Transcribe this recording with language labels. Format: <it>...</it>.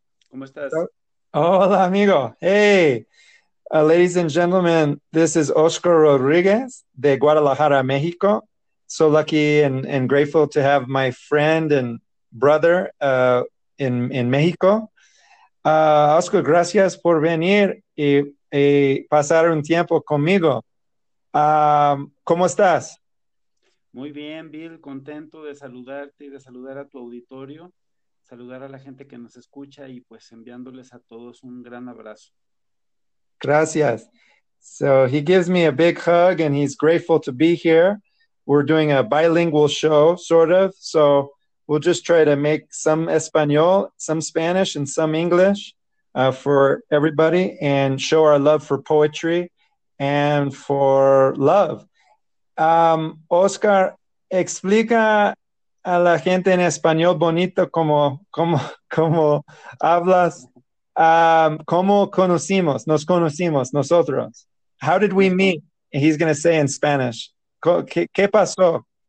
<es>¿Cómo estás? Hola, amigo.</es> <en>Hey, ladies and gentlemen, this is Oscar Rodriguez de Guadalajara, Mexico. So lucky and grateful to have my friend and brother in Mexico.</en> <es>Oscar, gracias por venir y pasar un tiempo conmigo. ¿Cómo estás? Muy bien, Bill, contento de saludarte y de saludar a tu auditorio, saludar a la gente que nos escucha y pues enviándoles a todos un gran abrazo. Gracias.</es> <en>So he gives me a big hug and he's grateful to be here. We're doing a bilingual show, sort of, so we'll just try to make some Espanol, some Spanish, and some English for everybody and show our love for poetry and for love.</en> <es>Oscar, explica a la gente en español bonito como hablas. ¿Cómo conocimos? Nos conocimos nosotros.</es> <en>How did we meet? He's going to say in Spanish.</en> <es>¿Qué pasó?</es>